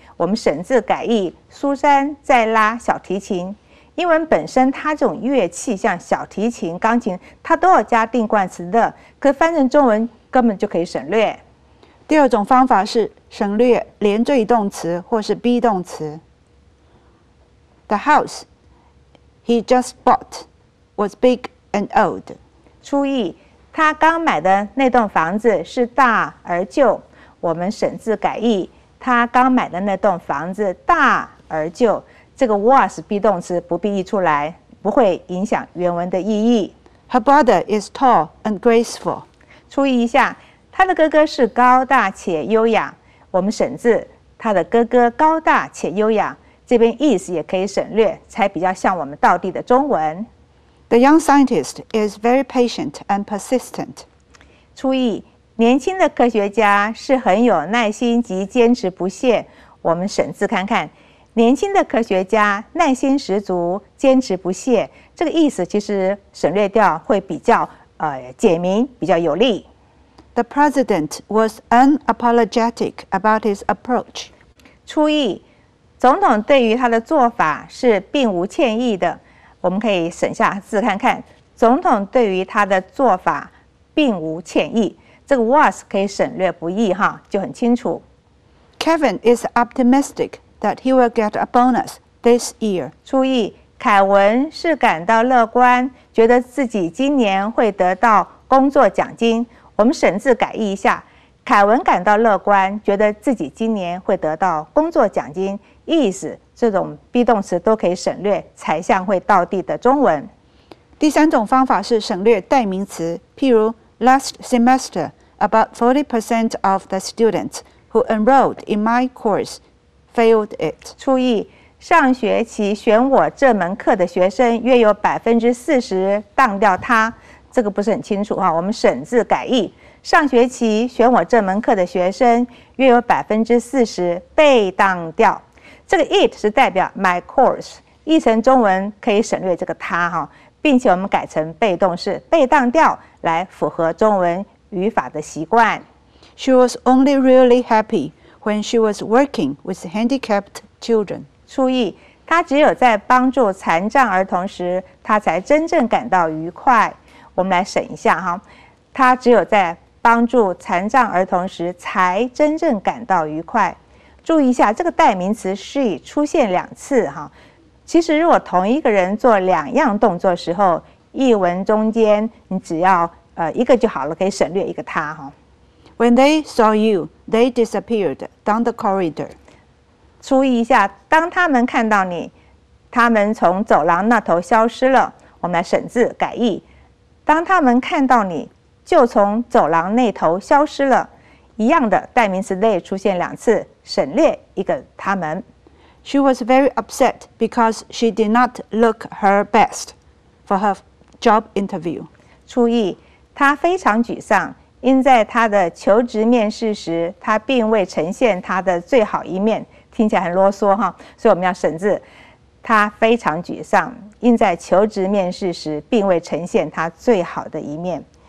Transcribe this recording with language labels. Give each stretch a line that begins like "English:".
Chinese: 我们省字改译，苏珊在拉小提琴。英文本身它这种乐器，像小提琴、钢琴，它都要加定冠词的。可翻成中文根本就可以省略。第二种方法是省略连缀动词或是 be 动词。
English: The house he just bought was big and old.
Chinese: 注意。他刚买的那栋房子是大而旧，我们省字改译，他刚买的那栋房子大而旧。这个 was be 动词不必译出来，不会影响原文的意义。
English: Her brother is tall and graceful.
Chinese: 注意一下，他的哥哥是高大且优雅。我们省字，他的哥哥高大且优雅，这边 is 也可以省略，才比较像我们道地的中文。
English: The young scientist is very patient and persistent.
Chinese: 初译，年轻的科学家是很有耐心及坚持不懈。我们省字看看，年轻的科学家耐心十足，坚持不懈。这个意思其实省略掉会比较简明，比较有力。
English: The president was unapologetic about his approach.
Chinese: 初译，总统对于他的做法是并无歉意的。我们可以省下字看看，总统对于他的做法并无歉意，这个 was 可以省略不译哈，就很清楚。
English: Kevin is optimistic that he will get a bonus this year.
Chinese: 注意凯文是感到乐观，觉得自己今年会得到工作奖金。我们省字改译一下，凯文感到乐观，觉得自己今年会得到工作奖金。意思，这种 be 动词都可以省略，才像会到地的中文。第三种方法是省略代名词，譬如
English: last semester about 40% of the students who enrolled in my course failed it。
Chinese: 注意，上学期选我这门课的学生约有 40% 当掉它，这个不是很清楚，我们省字改译，上学期选我这门课的学生约有 40% 被当掉。这个 it 是代表
English: my course，
Chinese: 译成中文可以省略这个它，并且我们改成被动式被当掉，来符合中文语法的习惯。
English: She was only really happy when she was working with handicapped children。
Chinese: 注意，她只有在帮助残障儿童时，她才真正感到愉快。我们来省一下哈，她只有在帮助残障儿童时才真正感到愉快。注意一下，这个代名词 she 出现两次哈。其实如果同一个人做两样动作的时候，译文中间你只要一个就好了，可以省略一个他哈。
English: When they saw you, they disappeared down the corridor。
Chinese: 注意一下，当他们看到你，他们从走廊那头消失了。我们来省字改译，当他们看到你，就从走廊那头消失了。一样的代名词 they 出现两次，省略一个他们。
English: She was very upset because she did not look her best for her job interview。
Chinese: 注意，她非常沮丧，因在她的求职面试时，她并未呈现她的最好一面。听起来很啰嗦哈，所以我们要省字，她非常沮丧，因在求职面试时并未呈现她最好的一面。